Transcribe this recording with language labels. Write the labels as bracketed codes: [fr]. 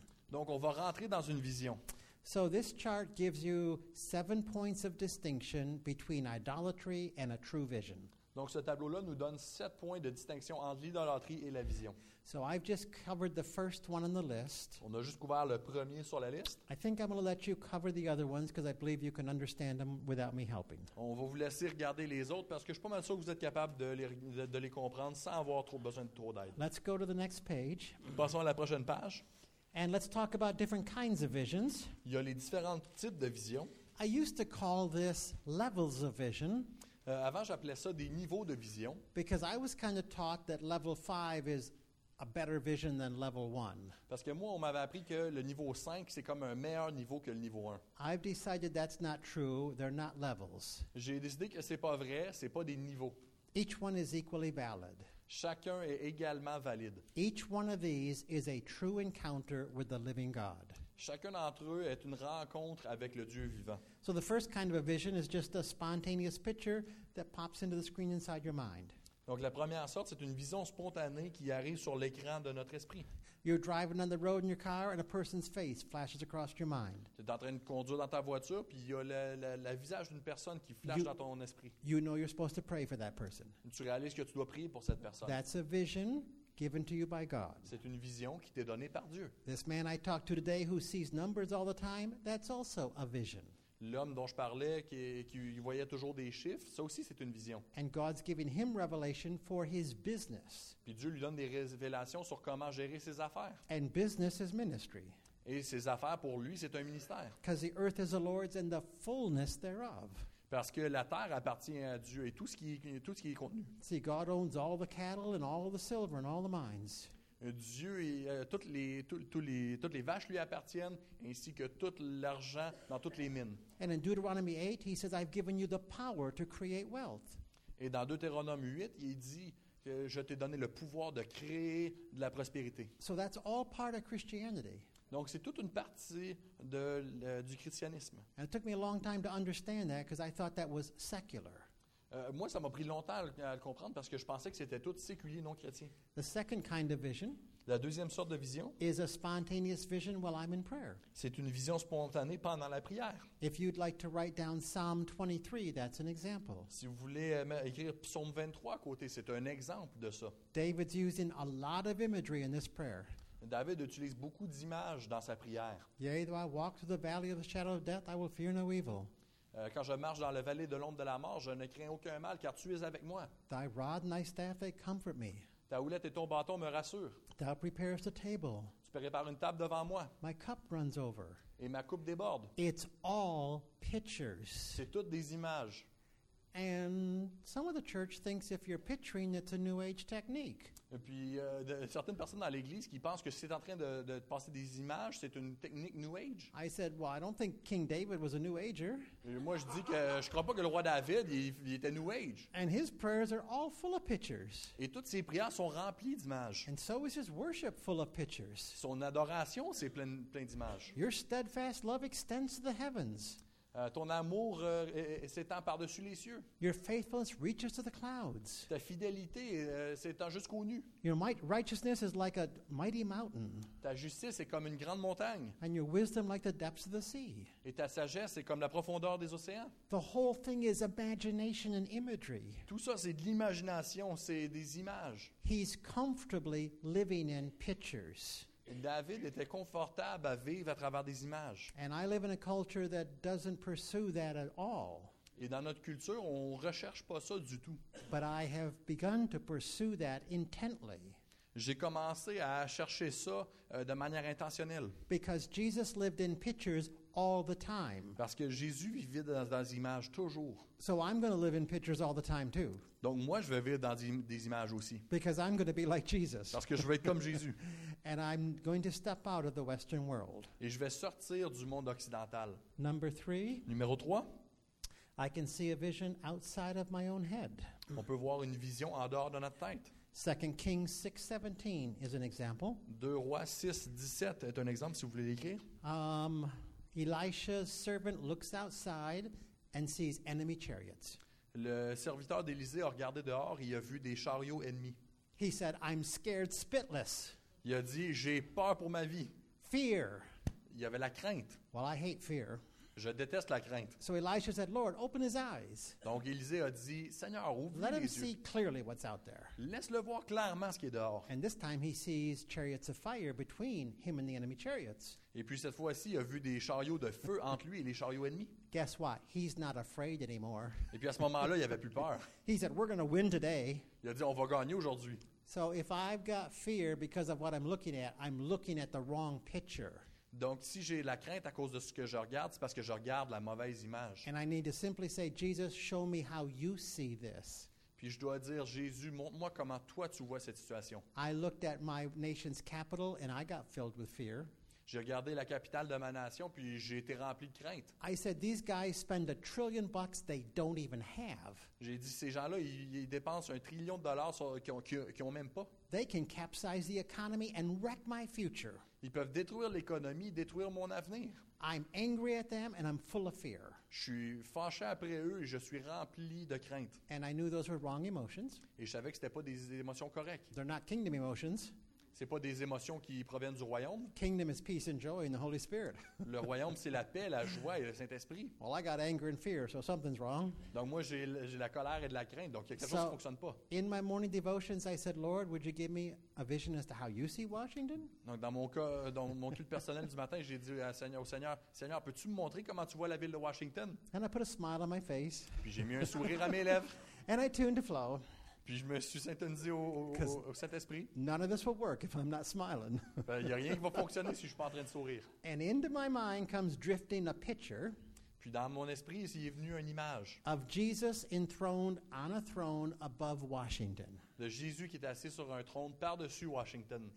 [fr] Donc on va rentrer dans une vision. [en] So this chart gives you 7 points of distinction between idolatry and a true vision. [fr] Donc ce tableau-là nous donne 7 points de distinction entre l'idolâtrie et la vision. [en] So I've just covered the first one on the list. [fr] On a juste couvert le premier sur la liste. [en] I think I'm going to let you cover the other ones because I believe you can understand them without me helping. [fr] On va vous laisser regarder les autres parce que je suis pas mal sûr que vous êtes capable de les comprendre sans avoir trop besoin de trop d'aide. [en] Let's go to the next page. [fr] Passons à la prochaine page. [en] And let's talk about different kinds of visions. [fr] Il y a les différents types de vision. [en] I used to call this levels of vision. [fr] Avant, j'appelais ça des niveaux de vision. [en] Because I was kind of taught that level 5 is a better vision than level 1. [fr] Parce que moi, on m'avait appris que le niveau 5, c'est comme un meilleur niveau que le niveau 1. [en] I've decided that's not true. They're not levels. [fr] J'ai décidé que c'est pas vrai, c'est pas des niveaux. [en] Each one is equally valid. [fr] Chacun est également valide. [en] Each one of these is a true encounter with the living God. [fr] Chacun d'entre eux est une rencontre avec le Dieu vivant. [en] So the first kind of a vision is just a spontaneous picture that pops into the screen inside your mind. [fr] Donc la première sorte, c'est une vision spontanée qui arrive sur l'écran de notre esprit. [en] You're driving on the road in your car and a person's face flashes across your mind. [fr] Tu es en train de conduire dans ta voiture puis il y a le visage d'une personne qui flash dans ton esprit. [en] You know you're supposed to pray for that person. [fr] Tu réalises que tu dois prier pour cette personne. [en] That's a vision given to you by God. [fr] C'est une vision qui t'est donnée par Dieu. [en] This man I talked to today who sees numbers all the time, that's also a vision. [fr] L'homme dont je parlais qui voyait toujours des chiffres, ça aussi c'est une vision. [en] And God's giving him revelation for his business. [fr] Puis Dieu lui donne des révélations sur comment gérer ses affaires. [en] And business is ministry. [fr] Et ses affaires pour lui, c'est un ministère. [en] Because the earth is the Lord's and the fullness thereof. [fr] Parce que la terre appartient à Dieu et tout ce qui est contenu. [en] See, God owns all the cattle and all the silver and all the mines. [fr] Dieu et toutes les vaches lui appartiennent, ainsi que tout l'argent dans toutes les mines. [en] And in Deuteronomy 8, he says, I've given you the power to create wealth. [fr] Et dans Deutéronome 8, il dit que je t'ai donné le pouvoir de créer de la prospérité. [en] So that's all part of Christianity. [fr] Donc c'est toute une partie de du christianisme. [en] And it took me a long time to understand that because I thought that was secular. [fr] Moi, ça m'a pris longtemps à le comprendre parce que je pensais que c'était tout séculier, non chrétien. [en] The second kind of vision. [fr] La deuxième sorte de vision. [en] Is a spontaneous vision while I'm in prayer. [fr] C'est une vision spontanée pendant la prière. [en] If you'd like to write down Psalm 23, that's an example. [fr] Si vous voulez écrire Psaume 23 à côté, c'est un exemple de ça. [en] David's using a lot of imagery in this prayer. [fr] David utilise beaucoup d'images dans sa prière. [en] Yea, though I walk through the valley of the shadow of death, I will fear no evil. [fr] Quand je marche dans la vallée de l'ombre de la mort, je ne crains aucun mal, car tu es avec moi. [en] Thy rod and thy staff, they comfort me. [fr] Ta houlette et ton bâton me rassurent. [en] Thou preparest a table. [fr] Tu prépares une table devant moi. [en] My cup runs over. [fr] Et ma coupe déborde. [en] It's all pictures. [fr] C'est toutes des images. [en] And some of the church thinks if you're picturing, it's a New Age technique. [fr] Et puis, certaines personnes dans l'Église qui pensent que c'est en train de passer des images, c'est une technique New Age. [en] I said, well, I don't think King David was a New Ager. [fr] Et moi, je dis que je ne crois pas que le roi David, il était New Age. [en] And his prayers are all full of pictures. [fr] Et toutes ses prières sont remplies d'images. [en] And so is his worship full of pictures. [fr] Son adoration, c'est plein d'images. [en] Your steadfast love extends to the heavens. [fr] Ton amour s'étend par-dessus les cieux. [en] Your faithfulness reaches to the clouds. [fr] Ta fidélité s'étend jusqu'aux nues. [en] Your righteousness is like a mighty mountain. [fr] Ta justice est comme une grande montagne. [en] And your wisdom like the depths of the sea. [fr] Et ta sagesse est comme la profondeur des océans. [en] The whole thing is imagination and imagery. [fr] Tout ça, c'est de l'imagination, c'est des images. [en] He's comfortably living in pictures. [fr] David était confortable à vivre à travers des images. [en] And I live in a culture that doesn't pursue that at all. [fr] Et dans notre culture, on recherche pas ça du tout. [en] But I have begun to pursue that intently. [fr] J'ai commencé à chercher ça de manière intentionnelle. [en] Because Jesus lived in pictures all the time. [fr] Parce que Jésus vivait dans des images toujours. [en] So I'm going to live in pictures all the time too. [fr] Donc moi, je vais vivre dans des images aussi. [en] Because I'm going to be like Jesus. [fr] Parce que je vais être comme Jésus. [en] And I'm going to step out of the Western world. [fr] Et je vais sortir du monde occidental. [en] Number three. [fr] Numéro 3. [en] I can see a vision outside of my own head. [fr] On peut voir une vision en dehors de notre tête. [en] 2 Kings 6:17 is an example. [fr] 2 Rois 6:17 est un exemple si vous voulez l'écrire. [en] Elisha's servant looks outside and sees enemy chariots. [fr] Le serviteur d'Élisée a regardé dehors, il a vu des chariots ennemis. [en] He said, I'm scared spitless. [fr] Il a dit, j'ai peur pour ma vie. [en] Fear. [fr] Il y avait la crainte. [en] Well, I hate fear. [fr] Je déteste la crainte. [en] So Elisha said, Lord, open his eyes. [fr] Donc Élisée a dit, Seigneur, ouvre les yeux. [en] Let him see clearly what's out there. [fr] Laisse-le voir clairement ce qui est dehors. [en] And this time he sees chariots of fire between him and the enemy chariots. [fr] Et puis cette fois-ci, il a vu des chariots de feu entre lui et les chariots ennemis. [en] Guess what? He's not afraid anymore. [fr] Et puis à ce moment-là, il n'avait plus peur. [en] He said, we're going to win today. [fr] Il a dit, on va gagner aujourd'hui. [en] So if I've got fear because of what I'm looking at the wrong picture. [fr] Donc si j'ai la crainte à cause de ce que je regarde, c'est parce que je regarde la mauvaise image. [en] And I need to simply say, Jesus, show me how you see this. [fr] Puis je dois dire, Jésus, montre-moi comment toi tu vois cette situation. [en] I looked at my nation's capital and I got filled with fear. [fr] J'ai regardé la capitale de ma nation puis j'ai été rempli de crainte. [en] I said, these guys spend a trillion bucks they don't even have. [fr] J'ai dit, ces gens-là, ils dépensent un trillion de dollars qu'ils ont même pas. [en] They can capsize the economy and wreck my future. [fr] Ils peuvent détruire l'économie, détruire mon avenir. [en] I'm angry at them and I'm full of fear. [fr] Je suis fâché après eux et je suis rempli de crainte. [en] And I knew those were wrong emotions. [fr] Et je savais que c'était pas des émotions correctes. [en] They're not kingdom emotions. [fr] C'est pas des émotions qui proviennent du royaume. [en] Kingdom is peace and joy in the Holy Spirit. [fr] Le royaume, c'est la paix, la joie et le Saint-Esprit. [en] Well, I got anger and fear, so something's wrong. [fr] Donc moi, j'ai la colère et de la crainte, donc quelque chose ne fonctionne pas. [en] In my morning devotions, I said, Lord, would you give me a vision as to how you see Washington? [fr] Donc dans mon culte personnel du matin, j'ai dit au Seigneur, peux-tu me montrer comment tu vois la ville de Washington? [en] And I put a smile on my face. [fr] Puis j'ai mis un sourire à mes lèvres. [en] And I tuned to flow. [fr] Puis je me suis syntonisé au Saint-Esprit. [en] None of this will work if I'm not smiling. [fr] Il n'y a rien qui va fonctionner si je ne suis pas en train de sourire. [en] And into my mind comes drifting a picture. [fr] Puis dans mon esprit, il est venu une image. [en] Of Jesus enthroned on a throne above Washington. [fr] De Jésus qui est assis sur un trône par-dessus Washington.